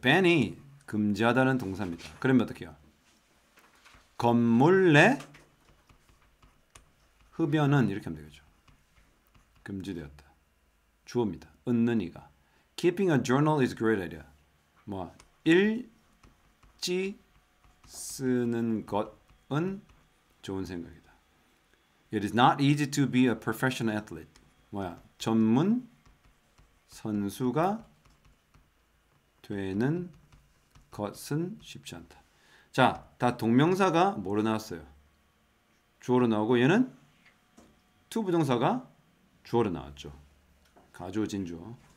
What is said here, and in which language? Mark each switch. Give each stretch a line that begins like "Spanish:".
Korean: Ban이 금지하다는 동사입니다. 그러면 어떻게요? 건물 내 흡연은 이렇게 하면 되겠죠. 금지되었다. 주어입니다. 은는 이가. Keeping a journal is a great idea. 뭐 일지 쓰는 것은 좋은 생각이다.
English: It is not easy to be a professional athlete.
Korean: 뭐야? 전문 선수가 되는 것은 쉽지 않다. 자, 다 동명사가 뭐로 나왔어요? 주어로 나오고 얘는 to 부정사가 주어로 나왔죠. 가져진 주어.